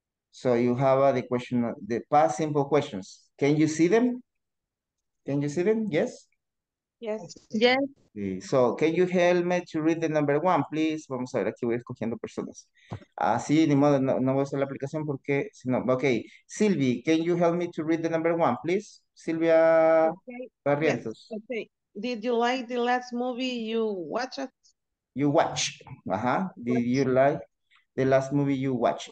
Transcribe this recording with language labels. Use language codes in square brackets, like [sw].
[en] So you have the question, the past simple questions. Can you see them? Can you see them? Yes? Yes. Yes. Okay. So can you help me to read the number one, please? [es] Vamos a ver, aquí voy escogiendo personas. Ah, sí, ni modo, no voy a hacer la aplicación porque, si no, okay. [en] Silvi, can you help me to read the number one, please? Silvia Barrientos. Okay. Did you like the last movie you watched? You watch. Uh-huh. Did you like the last movie you watch?